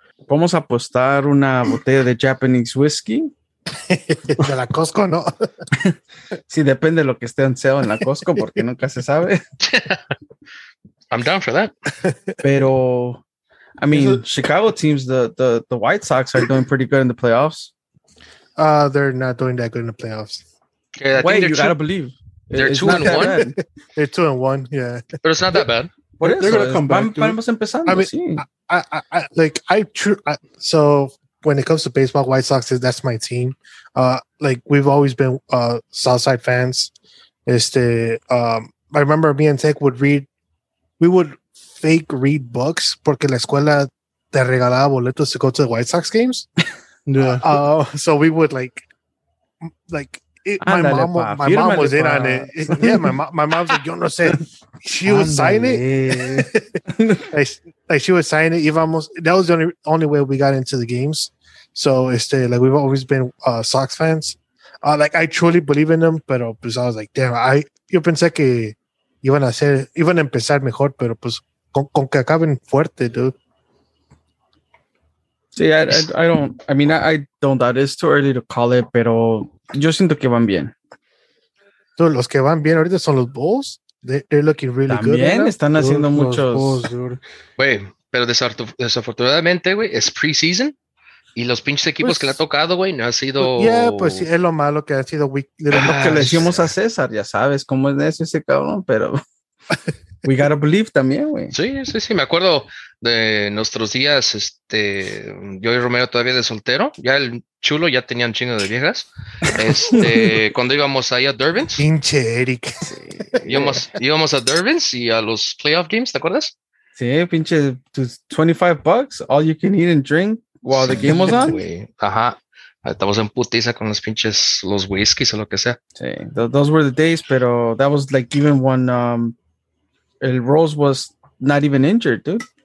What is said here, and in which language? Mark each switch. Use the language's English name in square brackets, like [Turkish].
[Spanish] Vamos a apostar una botella de Japanese whiskey. De la Costco, ¿no? Sí, depende de lo que esté en sale en la Costco, porque nunca se sabe. [English] I'm down for that. Pero, I mean, Chicago teams, the White Sox are doing pretty good in the playoffs. They're not doing that good in the playoffs. Okay, gotta believe. They're 2-1. They're 2-1, yeah. But it's not that bad. What is they're going to come back. [Spanish] Vamos empezando. [English] I mean, so... When it comes to baseball, White Sox, that's my team. We've always been Southside fans. I remember me and Tech would fake read books [Spanish] porque la escuela te regalaba boletos [English] to go to the White Sox games. Yeah. So we would my mom was in on it. Yeah, my mom's like, [Spanish] yo no sé. [English] She would sign it. she would sign it. That was the only way we got into the games. So we've always been Sox fans. I truly believe in them, [Spanish] pero pues [English] I was like, damn, [Spanish] yo pensé que iban a empezar mejor, pero pues con que acaben fuerte, dude. Sí, [English] I don't doubt it's too early to call it, [Spanish] pero yo siento que van bien. Dude, los que van bien ahorita son los Bulls. [English] They're looking really [Spanish] también [English] good. [Spanish] También están right haciendo dude, muchos. [English] Bulls, dude. [Spanish] Wey, pero desafortunadamente, güey, es preseason. Y los pinches equipos pues, que le ha tocado, güey, no ha sido... Yeah, pues sí, es lo malo que ha sido. Lo que le decimos a César, ya sabes cómo es eso, ese cabrón, pero [English] we gotta believe [Spanish] también, güey. Sí. Me acuerdo de nuestros días, yo y Romero todavía de soltero. Ya el chulo ya tenía un chingo de viejas. cuando íbamos ahí a Durbin's. Pinche Eric. Sí, íbamos a Durbin's y a los playoff games, ¿te acuerdas? Sí, pinche [English] $25, all you can eat and drink. While the game was on? [Spanish] Ajá. Estamos en putiza con los pinches, los whiskies o lo que sea. [English] Sí, those were the days, pero that was like even when el Rose was not even injured, dude.